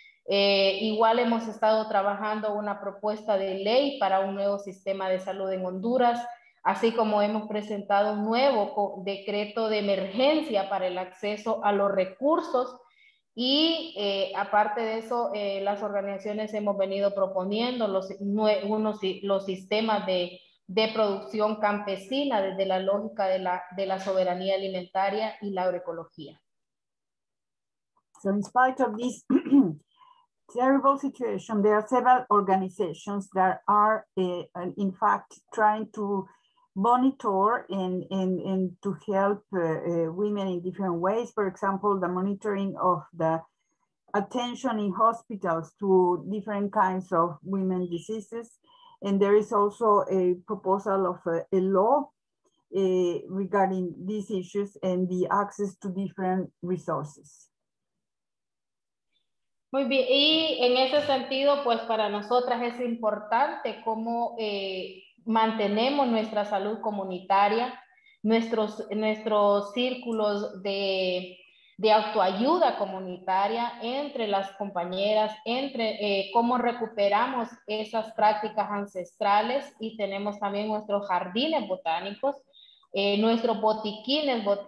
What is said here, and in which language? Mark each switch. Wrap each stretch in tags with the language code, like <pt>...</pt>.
<es>Igual hemos estado trabajando una propuesta de ley para un nuevo sistema de salud en Honduras, así como hemos presentado un nuevo decreto de emergencia para el acceso a los recursos. Y aparte de eso, las organizaciones hemos venido proponiendo los sistemas de producción campesina desde la lógica de la soberanía alimentaria y la agroecología.</es> <en>So in spite of this terrible situation, there are several organizations that are in fact trying to monitor and to help women in different ways. For example, the monitoring of the attention in hospitals to different kinds of women diseases. And there is also a proposal of a law regarding these issues and the access to different resources.</en> <es>Muy bien, y en ese sentido, pues para nosotras es importante cómo mantenemos nuestra salud comunitaria, nuestros círculos de autoayuda comunitaria entre las compañeras, entre cómo recuperamos esas prácticas ancestrales, y tenemos también nuestros jardines botánicos, nuestros botiquines</es>